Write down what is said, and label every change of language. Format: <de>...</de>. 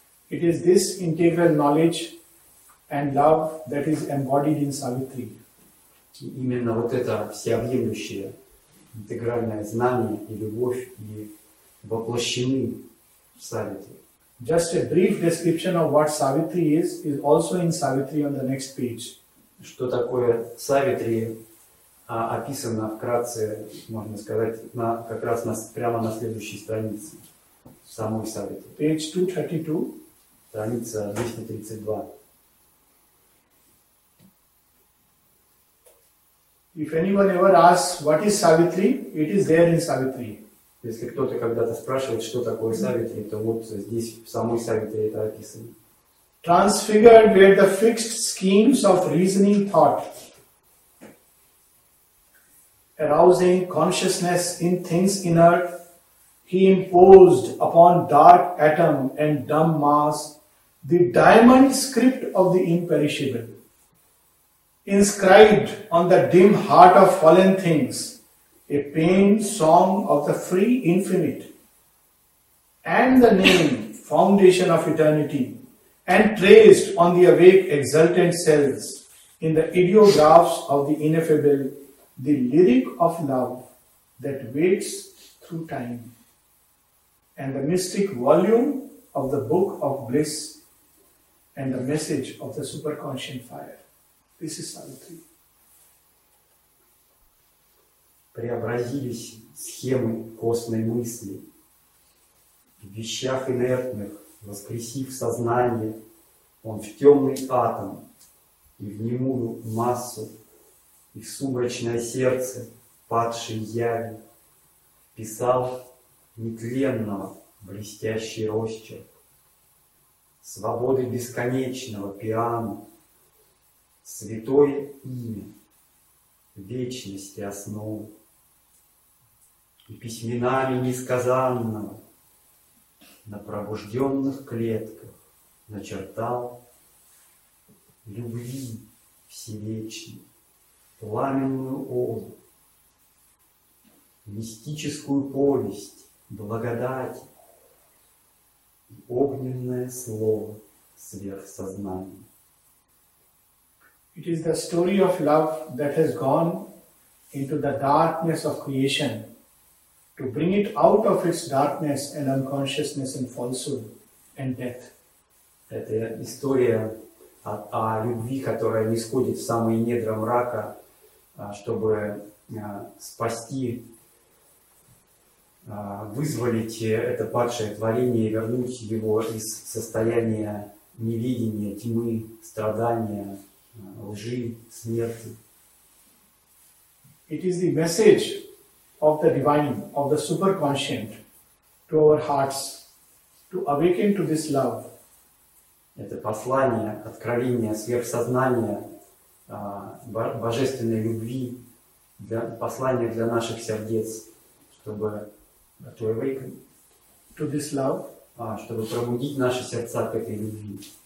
<en>It is this integral knowledge and love that is embodied in Savitri.</en> <ru>Именно вот это всеобъемлющее интегральное знание и любовь и воплощены в Савитри.</ru> <en>Just a brief description of what Savitri is also in Savitri on the next page.</en> <ru>Что такое Савитри, описано вкратце, можно сказать, прямо на следующей странице самой Савитри.</ru> <en>Page 232.</en> <ru>Страница 232.</ru> <en>If anyone ever asks what is Savitri, it is there in Savitri.</en> <ru>Если кто-то когда-то спрашивает, что такое Savitri, то вот здесь в самой Savitri это описано.</ru> <en>Transfigured were the fixed schemes of reasoning thought, arousing consciousness in things inert, he imposed upon dark atom and dumb mass the diamond script of the imperishable, inscribed on the dim heart of fallen things, a pained song of the free infinite, and the name foundation of eternity, and traced on the awake exultant cells, in the ideographs of the ineffable, the lyric of love that waits through time, and the mystic volume of the book of bliss, and the message of the superconscient fire. This is Savitri.</en> <ru>преобразились схемы костной мысли в вещах инертных, воскресив сознание, он в темный атом и в немую массу, и в сумрачное сердце падшей яви писал нетленного блестящий росчерк свободы бесконечного пиано, святое имя вечности основы, и письменами несказанного на пробужденных клетках начертал любви всевечной пламенную оду, мистическую повесть благодати и огненное слово сверхсознания.</ru> <en>It is the story of love that has gone into the darkness of creation to bring it out of its darkness and unconsciousness and falsehood and death.</en> <ru>Это история о любви, которая нисходит в самые недра мрака, чтобы спасти, вызволить это падшее творение и вернуть его из состояния невидения, тьмы, страдания, лжи, смерти.</ru> <en>It is the message of the divine, of the superconscient, to our hearts, to awaken to this love.</en> <ru>Это послание, откровение сверхсознания, божественной любви, послание для наших сердец, чтобы</ru> <en>to awaken to this love,</en> <ru>чтобы пробудить наши сердца к этой любви.</ru>